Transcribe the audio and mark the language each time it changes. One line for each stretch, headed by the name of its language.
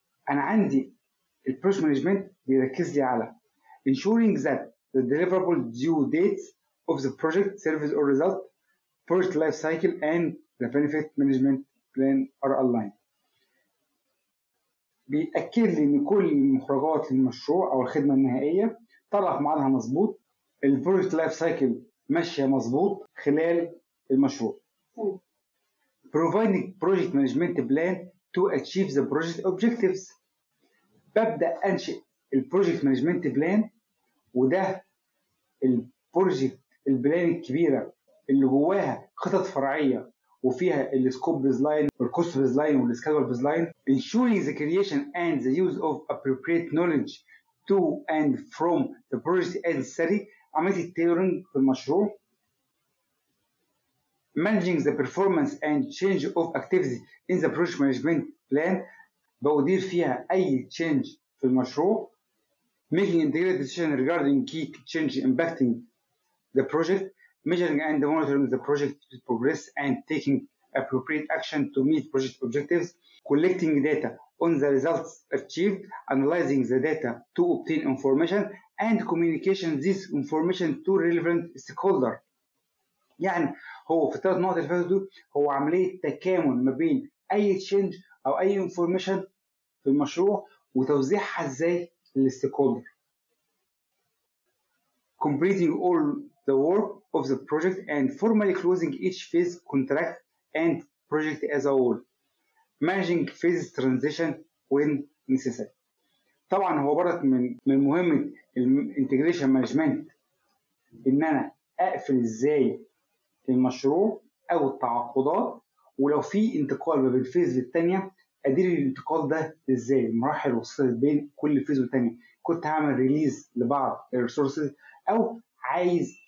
Arabic: أنا عندي الـ project management بيركز لي على
English: ensuring that the deliverable due dates of the project, service or result, project life cycle and the benefit management plan are aligned.
Arabic: بيأكد لي إن كل المخرجات للمشروع أو الخدمة النهائية طلع في ميعادها مظبوط، الـ project life cycle ماشية مظبوط خلال المشروع.
English: Providing project management plan to achieve the project objectives.
Arabic: ببدأ أنشئ الـ project management plan وده الـ project الـ plan الكبيرة اللي جواها خطط فرعية وفيها الـ scope baseline والـ cost baseline والـ schedule baseline.
English: Ensuring the creation and the use of appropriate knowledge to and from the project as necessary.
Arabic: عملية التيلورينج في المشروع.
English: Managing the performance and change of activity in the project management plan
Arabic: بأدير فيها أي change في المشروع.
English: Making integrated decision regarding key change impacting the project. Measuring and monitoring the project progress and taking appropriate action to meet project objectives. Collecting data on the results achieved. Analyzing the data to obtain information and communication this information to relevant stakeholders.
Arabic: يعني هو في 3 نقط اللي فاتوا هو عملية تكامل ما بين أي تشينج أو أي انفورميشن في المشروع وتوزيعها ازاي للستيكهولدر.
English: Completing all the work of the project and formally closing each phase contract and project as a whole. Managing phase transition when necessary.
Arabic: طبعا هو برضه من مهمة الانتجريشن مانجمنت إن أنا أقفل ازاي المشروع او التعاقدات ولو في انتقال ما بين الفيز للثانيه ادير الانتقال ده ازاي، المراحل وصلت بين كل فيز والتاني، كنت هعمل ريليز لبعض الريسورسز او عايز